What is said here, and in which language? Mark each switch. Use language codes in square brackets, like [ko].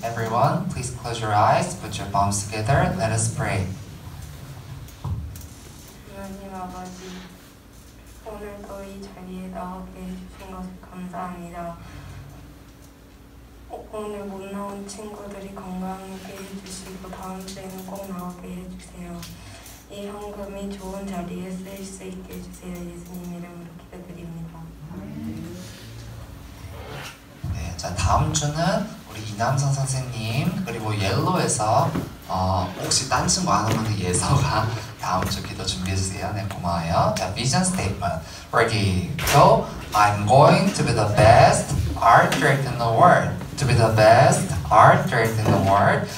[en] Everyone, please close your eyes, put your palms together, let us pray. [ko] 아버지, 오늘 또 이 자리에 나오게 해주신 것을 감사합니다. 오늘 못 나온 친구들이 건강하게 해주시고 다음 주에는 꼭 나오게 해주세요. 이 헌금이 좋은 자리에 쓰일 수 있게 해주세요. 예수님 이름으로 기도드립니다. 네, 자 다음 주는 우리 이남성 선생님 그리고 옐로에서 혹시 딴 친구 안 오면 예서가 다음 주 기도 준비해주세요. 네, 고마워요. 자, [en] vision statement. Ready, go. I'm going to be the best art director in the world. To be the best art director in the world.